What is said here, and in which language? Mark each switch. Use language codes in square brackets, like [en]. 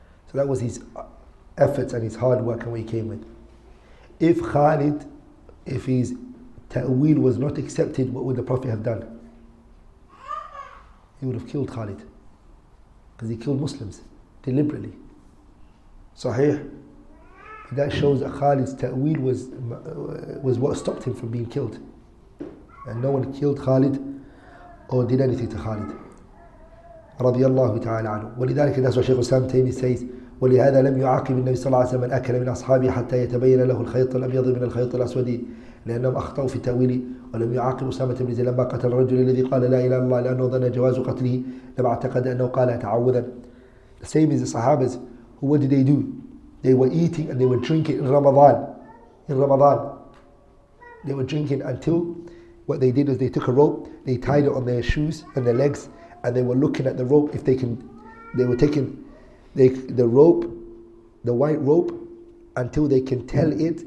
[en] So that was his efforts and his hard work and what he came with. If Khalid, if his ta'wil was not accepted, what would the Prophet have done? He would have killed Khalid. Because he killed Muslims, deliberately. Sahih? But that shows that Khalid's ta'wil was what stopped him from being killed. And no one killed Khalid or did anything to Khalid. [ar] رضي الله تعالى عنه. ولذلك الناس وشيخ السلام تيمي says, ولهذا لم يعاقب النبي صلى الله عليه وسلم من أكل من أصحابه حتى يتبين له الخيط الأبيض من الخيط الأسود لأنهم أخطأوا في التأويل ولم يعاقب أسامة بن زيد لما قتل الرجل الذي قال لا إله إلا الله لأنه ظن جواز قتله لما اعتقد أنه قال تعوذا. [en] The same as the Sahabas, what did they do? They were eating and they were drinking in Ramadan. In Ramadan. They were drinking until what they did is they took a rope, they tied it on their shoes and their legs, and they were looking at the rope if they can. They were taking the rope, the white rope, until they can tell it.